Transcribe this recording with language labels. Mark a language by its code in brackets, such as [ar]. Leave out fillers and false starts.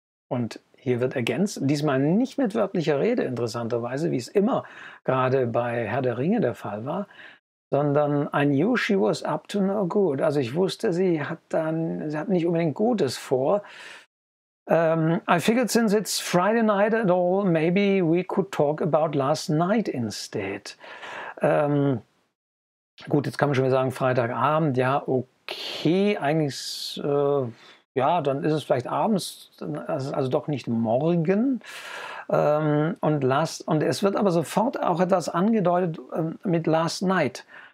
[de] Und hier wird ergänzt, diesmal nicht mit wörtlicher Rede, interessanterweise, wie es immer gerade bei Herr der Ringe der Fall war, sondern [en] I knew she was up to no good. [de] Also ich wusste, sie hat nicht unbedingt Gutes vor. [en] I figured since it's Friday night at all, maybe we could talk about last night instead. [de] Gut, jetzt kann man schon mal sagen, Freitagabend, ja, okay, eigentlich, dann ist es vielleicht abends, also doch nicht morgen. Und es wird aber sofort auch etwas angedeutet mit last night.